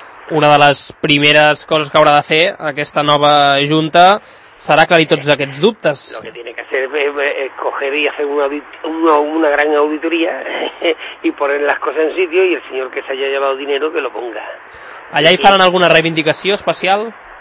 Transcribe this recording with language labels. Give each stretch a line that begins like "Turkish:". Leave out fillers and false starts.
Catalan: Una de les primeres coses que haurà de fer aquesta nova junta serà aclarir tots aquests dubtes.
Spanish: Lo que tiene que hacer es coger y hacer una gran auditoría y poner las cosas en sitio y el señor que se haya llevado dinero que lo ponga.
Catalan: Allà hi faran alguna reivindicació especial?